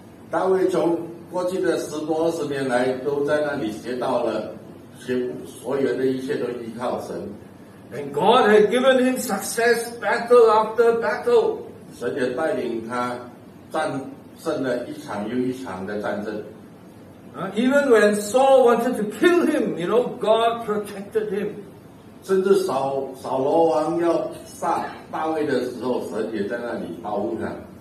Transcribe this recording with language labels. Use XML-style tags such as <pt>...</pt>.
<zh>大卫从过去的十多二十年来都在那里学到了。所有的一切都依靠神。</zh> <en>And God had given him success battle after battle.</en> <zh>神也带领他战胜了一场又一场的战争。</zh> <en>Even when Saul wanted to kill him, you know, God protected him.</en> <zh>甚至扫罗王要杀大卫的时候, 神也在那里保护他。</zh>